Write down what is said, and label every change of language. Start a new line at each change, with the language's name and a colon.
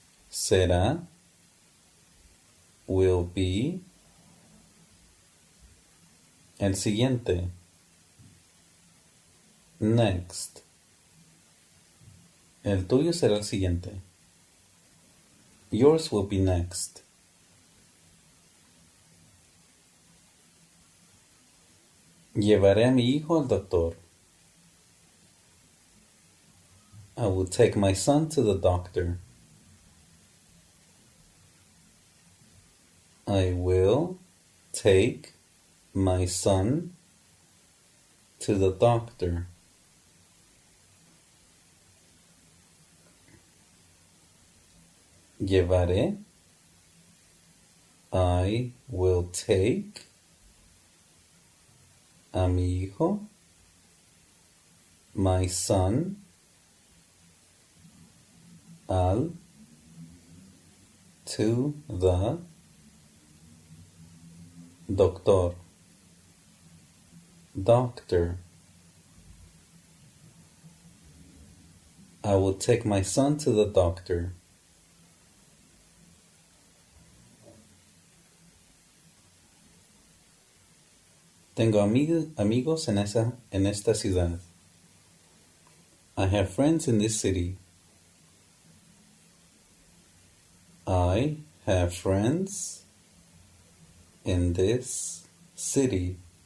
Spanish: Será,
English: will be,
Spanish: el siguiente,
English: next,
Spanish: el tuyo será el siguiente,
English: yours will be next.
Spanish: Llevaré a mi hijo al doctor.
English: I will take my son to the doctor. I will take my son to the doctor.
Spanish: Llevaré.
English: I will take
Spanish: a mi hijo,
English: my son,
Spanish: al,
English: to the doctor, doctor. I will take my son to the doctor.
Spanish: Tengo amigos en esta ciudad.
English: I have friends in this city. I have friends in this city.